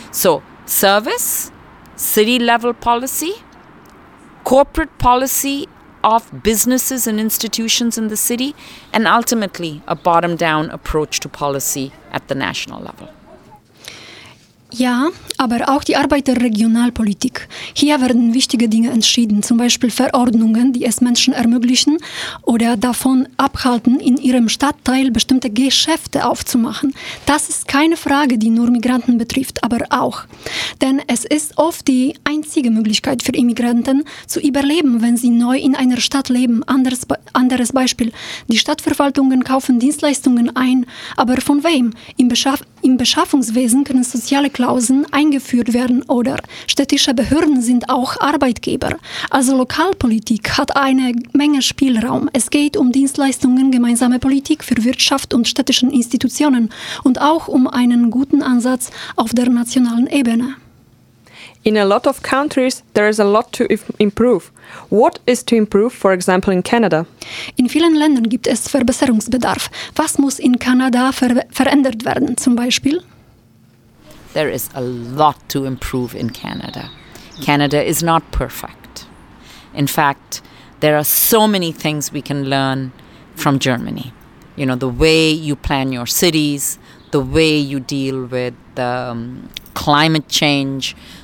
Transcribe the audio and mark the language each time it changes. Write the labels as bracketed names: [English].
[English] So service, city-level policy, corporate policy of businesses and institutions in the city, and ultimately a bottom-down approach to policy at the national level. [German] Ja, aber auch die Arbeit der Regionalpolitik. Hier werden wichtige Dinge entschieden, zum Beispiel Verordnungen, die es Menschen ermöglichen oder davon abhalten, in ihrem Stadtteil bestimmte Geschäfte aufzumachen. Das ist keine Frage, die nur Migranten betrifft, aber auch. Denn es ist oft die einzige Möglichkeit für Immigranten zu überleben, wenn sie neu in einer Stadt leben. Anderes Beispiel, die Stadtverwaltungen kaufen Dienstleistungen ein, aber von wem? Im Beschaffungswesen können soziale Klauseln eingeführt werden oder städtische Behörden sind auch Arbeitgeber. Also Lokalpolitik hat eine Menge Spielraum. Es geht um Dienstleistungen, gemeinsame Politik für Wirtschaft und städtischen Institutionen und auch um einen guten Ansatz auf der nationalen Ebene. [English] In a lot of countries, there is a lot to improve. What is to improve, for example, in Canada? [German] In vielen Ländern gibt es Verbesserungsbedarf. Was muss in Kanada verändert werden, zum Beispiel? [English] There is a lot to improve in Canada. Canada is not perfect. In fact, there are so many things we can learn from Germany. You know, the way you plan your cities, the way you deal with climate change.